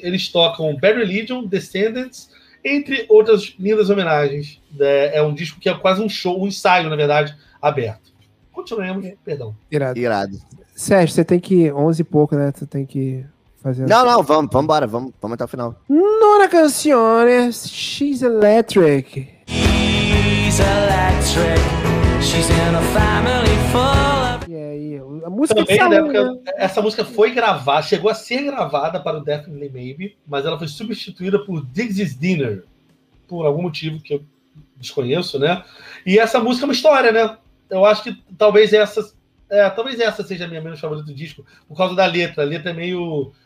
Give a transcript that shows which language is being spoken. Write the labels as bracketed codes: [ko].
[pt] Eles tocam Bad Religion, Descendants, entre outras lindas homenagens. É um disco que é quase um show, um ensaio, na verdade, aberto. Continuemos, perdão. Irado. Sérgio, você tem que ir 11 e pouco, né? Tu tem que. Não, vamos embora, vamos até o final. Nona canção, She's Electric. [en] She's electric, she's in a family full of... [pt] E aí, a música também, salão, época, né? Essa música foi gravada, chegou a ser gravada para o Definitely Maybe, mas ela foi substituída por Diggs' Dinner, por algum motivo que eu desconheço, né? E essa música é uma história, né? Eu acho que talvez essa seja a minha menos favorita do disco, por causa da letra. A letra é meio...